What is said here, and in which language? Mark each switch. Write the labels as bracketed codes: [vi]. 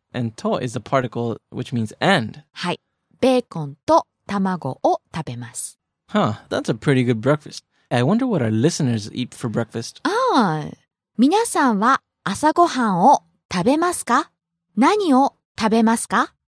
[en] And to is a particle which means and. [ja] はい。ベーコンと卵を食べます。 [en] Huh, that's a pretty good breakfast. I wonder what our listeners eat for breakfast. [ja] Ah, 皆さんは朝ごはんを食べますか?何を食べますか?